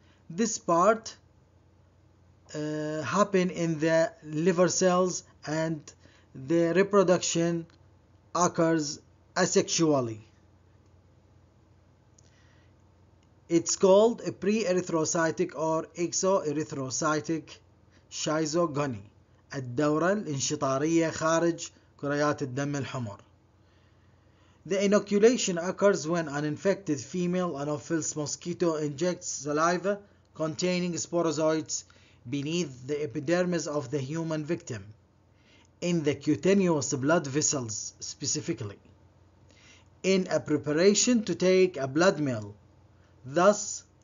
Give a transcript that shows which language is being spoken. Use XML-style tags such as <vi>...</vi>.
<en>This part happen in the liver cells and the reproduction occurs asexually. It's called a pre-erythrocytic or exo-erythrocytic schizogony.</en> <ar>الدورة الانشطارية خارج كريات الدم الحمر.</ar> <en>The inoculation occurs when an infected female Anopheles mosquito injects saliva containing sporozoites beneath the epidermis of the human victim, in the cutaneous blood vessels specifically, in a preparation to take a blood meal, thus</en>